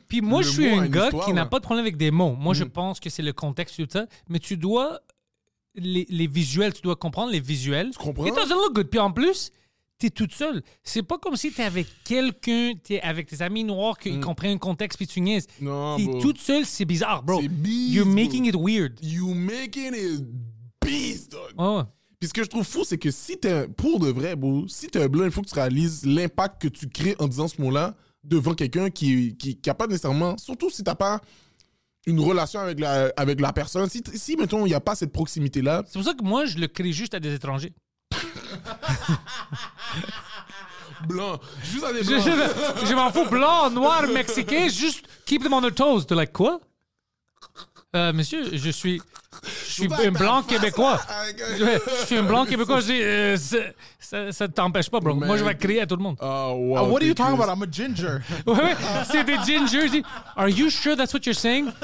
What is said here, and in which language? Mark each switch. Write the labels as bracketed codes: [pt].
[fr] Puis moi, je suis un gars histoire, qui n'a pas de problème avec des mots. Moi, je pense que c'est le contexte tout ça. Mais tu dois. Les visuels, tu dois comprendre les visuels. Tu comprends? [en] It doesn't look good. [fr] Puis en plus, t'es toute seule. C'est pas comme si t'es avec quelqu'un, t'es avec tes amis noirs, qu'ils comprennent un contexte, puis tu niaises. Non. T'es toute seule, c'est bizarre, bro. C'est bizarre. [en] You're making it weird. You're making it beast, dog. [fr] Oh, ouais. Puis ce que je trouve fou, c'est que si t'es pour de vrai, bro, si t'es un blanc, il faut que tu réalises l'impact que tu crées en disant ce mot-là devant quelqu'un qui a pas nécessairement, surtout si t'as pas une relation avec la personne. Si mettons, il y a pas cette proximité-là. C'est pour ça que moi, je le crée juste à des étrangers. Blanc, juste à des blancs. Je m'en fous, blanc, noir, mexicain, juste [en] keep them on their toes. [fr] T'es like, quoi? Monsieur, je suis un blanc québécois. Je suis un blanc québécois. Ça ne t'empêche pas, bro. Man. Moi, je vais crier à tout le monde. Oh, wow. [en] What are you talking about? I'm a ginger. [fr] C'est des gingers. [en] Are you sure that's what you're saying?